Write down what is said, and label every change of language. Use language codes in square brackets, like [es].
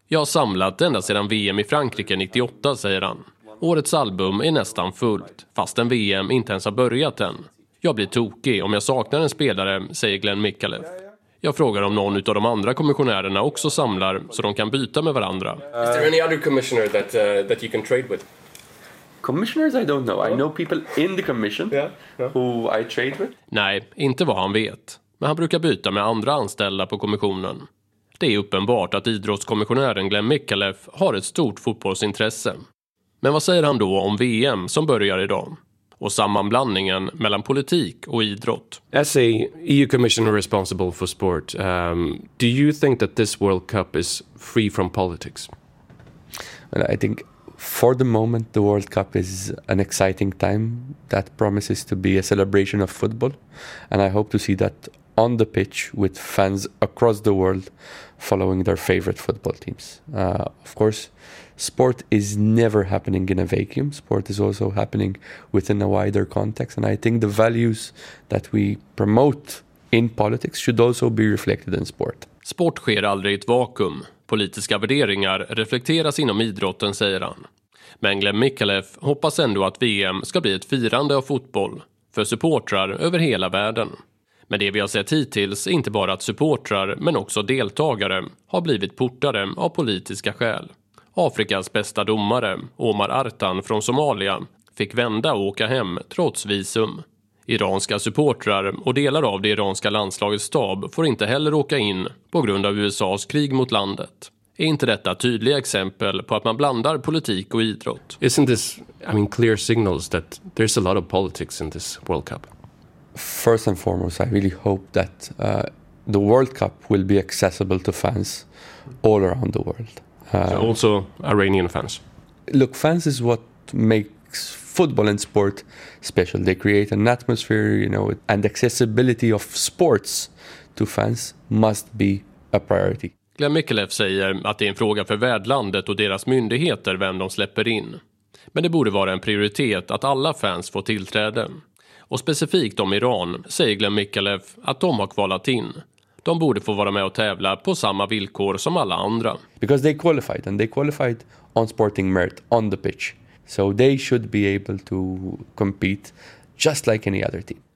[sv] Jag har samlat ända sedan VM i Frankrike 98, säger han. Årets album är nästan fullt, fast en VM inte ens har börjat än. Jag blir tokig om jag saknar en spelare, säger Glenn Mikalev. Jag frågar om någon av de andra kommissionärerna också samlar så de kan byta med varandra. [en] Is there any other commissioner that that you can trade with? Commissioners, I don't know. I know people in the commission who I trade with. [sv] Nej, inte vad han vet. Men han brukar byta med andra anställda på kommissionen. Det är uppenbart att idrottskommissionären Glenn Mikalev har ett stort fotbollsintresse. Men vad säger han då om VM som börjar idag? Och sammanblandningen mellan politik och idrott. [en] As a EU commissioner responsible for sport, do you think that this World Cup is free from politics? Well, I think for the moment the World Cup is an exciting time that promises to be a celebration of football, and I hope to see that on the pitch with fans across the world following their favorite football teams. Of course, sport is never happening in a vacuum. Sport is also happening within a wider context, and I think the values that we promote in politics should also be reflected in sport. [sv] Sport sker aldrig i ett vakuum. Politiska värderingar reflekteras inom idrotten, säger han. Men Glenn Mikalev hoppas ändå att VM ska bli ett firande av fotboll för supportrar över hela världen. Men det vi har sett hittills är inte bara att supportrar, men också deltagare, har blivit portade av politiska skäl. Afrikas bästa domare, Omar Artan från Somalia, fick vända och åka hem trots visum. Iranska supportrar och delar av det iranska landslagets stab får inte heller åka in på grund av USAs krig mot landet. Är inte detta tydliga exempel på att man blandar politik och idrott? [en] Isn't this, I mean, clear signals that there's a lot of politics in this World Cup? First and foremost, I really hope that the World Cup will be accessible to fans all around the world. So also Iranian fans. Look, fans is what makes football and sport special. They create an atmosphere, you know, and accessibility of sports to fans must be a priority. [sv] Glenn Mikalev säger att det är en fråga för värdlandet och deras myndigheter vem de släpper in. Men det borde vara en prioritet att alla fans får tillträde. Och specifikt om Iran säger Glenn Mikalev att de har kvalat in. De borde få vara med och tävla på samma villkor som alla andra. [en] Because they qualified, and they qualified on sporting merit on the pitch. So they should be able to compete just like any other team.